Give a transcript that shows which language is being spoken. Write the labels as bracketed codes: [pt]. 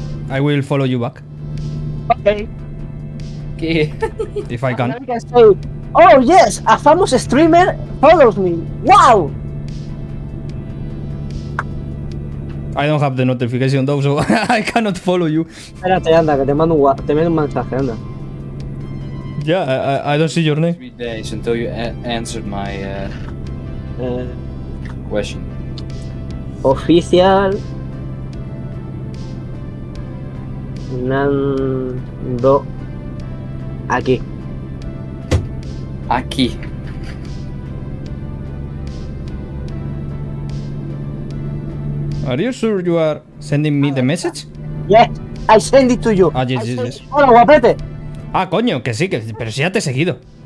[en] I will follow you back. Okay. If I can. Oh yes, a famous streamer follows me. Wow. I don't have the notification though, so I cannot follow you. [es] Espérate, anda, que te mando un mensaje, anda. [en] Yeah, I don't see your name. 3 days until you answered my question. [es] Oficial. Nando aquí. [en] Are you sure you are sending me the message? Yes, I send it to you. Ah, yes. [es] Hola, guapete. Ah, coño, que sí, pero si ya te he seguido.